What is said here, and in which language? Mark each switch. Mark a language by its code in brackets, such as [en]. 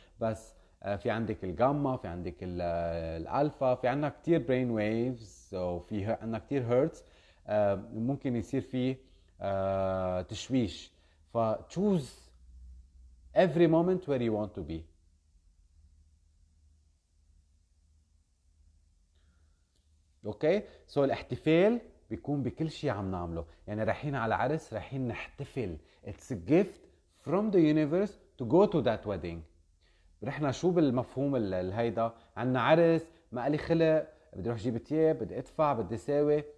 [ar] بس في عندك الجاما, في عندك الالفا, في عندنا كتير برين ويفز, وفي عندنا كتير هيرتز, ممكن يصير فيه تشويش. [en] ف choose every moment where you want to be. [ar] اوكي, سو الاحتفال بيكون بكل شيء عم نعمله. يعني رايحين على عرس, رايحين نحتفل. [en] It's a gift from the universe to go to that wedding. [ar] رحنا شو بالمفهوم الهيدا, عنا عرس, ما قالي خلق, بدي روح جيب تياب, بدي ادفع, بدي ساوي.